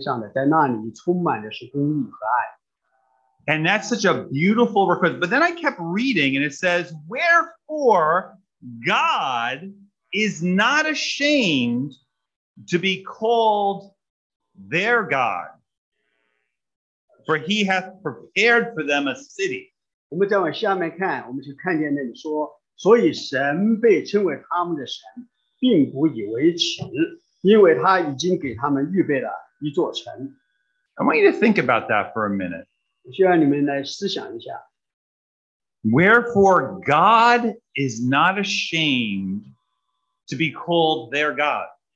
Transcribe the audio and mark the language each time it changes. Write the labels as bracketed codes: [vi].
[zh] 我们想象一下何等的奇妙，我们在想望的是另一个家乡，一个家乡不是美国，乃是在天上的，在那里充满的是公义和爱。 [en] And that's such a beautiful request. But then I kept reading and it says, wherefore God is not ashamed to be called their God, for he hath prepared for them a city. [zh] 我们再往下面看，我们就看见那里说，所以神被称为他们的神，并不以为耻，因为他已经给他们预备了一座城。 [en] I want you to think about that for a minute. [zh] 需要你们来思想一下, [en] wherefore God is not ashamed to be called their God.